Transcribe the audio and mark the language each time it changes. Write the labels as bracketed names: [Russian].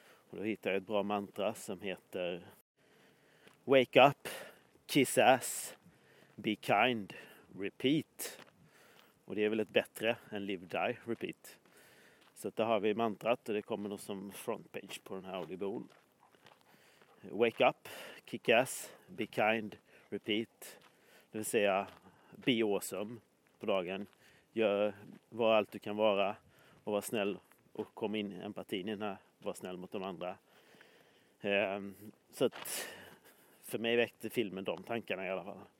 [Swedish] Och då hittar jag ett bra mantra som heter [English] Wake up, kiss ass, be kind, repeat. [Swedish] Och det är väl ett bättre än [English] live, die, repeat. [Swedish] Så där har vi mantrat, och det kommer nog som frontpage på den här audiobooken. [English] Wake up, kick ass, be kind, repeat. [Swedish] Det vill säga [English] be awesome [Swedish] på dagen. Gör vad allt du kan vara och var snäll och kom in empatin i den här. Var snäll mot de andra. Så att för mig väckte filmen de tankarna i alla fall.